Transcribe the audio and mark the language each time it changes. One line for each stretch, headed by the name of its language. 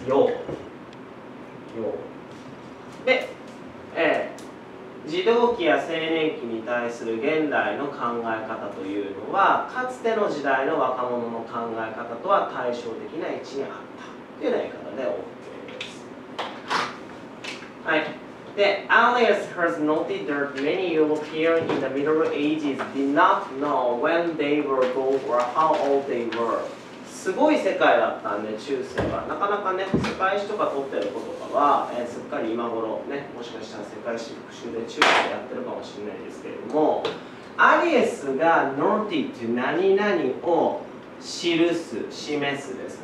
Japanese: 様で、児童期や青年期に対する現代の考え方というのは、かつての時代の若者の考え方とは対照的な位置にあったというような言い方で OK です。はい。
English: で、Alias has noted that many Europeans in the Middle Ages did not know when they were old or how old they were。
Japanese: すごい世界だったんで、中世は。なかなかね、世界史とか撮ってることとかは、すっかり今頃ね、もしかしたら世界史復習で中世でやってるかもしれないですけれども、アリエスがノーティっていう何々を記す、示すです。